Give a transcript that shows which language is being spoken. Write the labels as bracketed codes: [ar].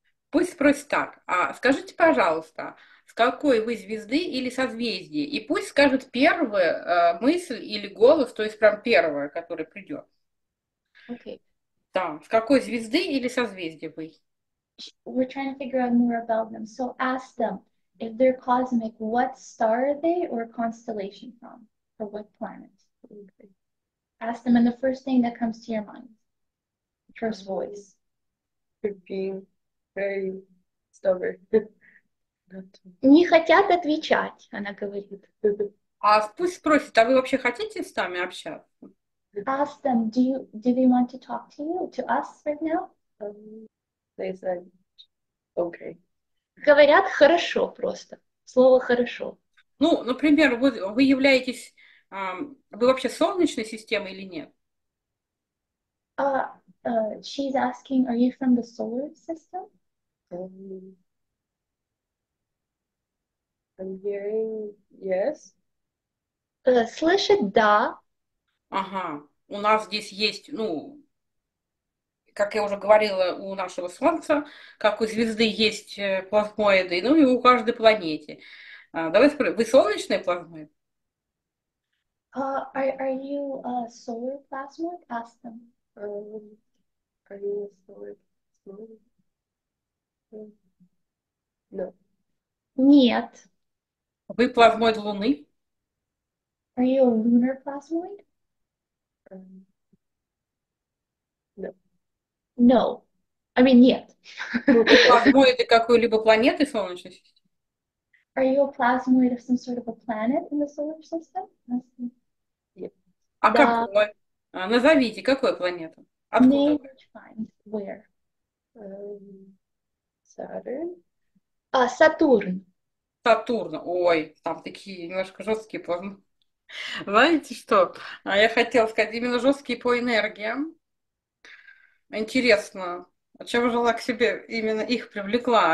[ru] Пусть спросит так. Скажите, пожалуйста, с какой вы звезды или созвездия? И пусть скажет первая мысль или голос, то есть прям первая, которая придет. Окей. Да, с какой звезды или созвездия вы? [en] We're trying to figure out more about them. So ask them. If they're cosmic, what star are they or constellation from? Or what planet? Okay. Ask them, and the first thing that comes to your mind, first voice. They're being very stubborn. [ru] Не хотят отвечать, она говорит. А пусть спросит, а вы вообще хотите с нами общаться? [en] Ask them, do they want to talk to you, to us right now? They said, okay. [ru] Говорят хорошо просто. Слово хорошо. Ну, например, вы являетесь... вы вообще солнечной системы или нет? [en] She's asking, are you from the solar system? I'm hearing yes. [ru] Слышит да. Ага. У нас здесь есть, ну, как я уже говорила, у нашего Солнца, как у звезды есть плазмоиды, ну и у каждой планеты. Давай спросим, вы солнечные плазмоиды? [en] Are you a solar plasmoid? Ask them. Are you a solar plasmoid? No. [ru] Нет. Вы плазмоид Луны? [en] Are you a lunar plasmoid? No. No. I mean, нет. [ru] Вы плазмоиды какой-либо планеты Солнечной системы? [en] Are you a plasmoid of some sort of a planet in the solar system? [ru] А Да. какой? Назовите, какую планету? [en] Name [ru] Откуда? [en] which planet? Where? Saturn? [ru] Сатурн. Сатурн. Ой, там такие немножко жесткие планы. Знаете что? Я хотела сказать, именно жесткие по энергиям. Интересно, а чем жила к себе именно их привлекла?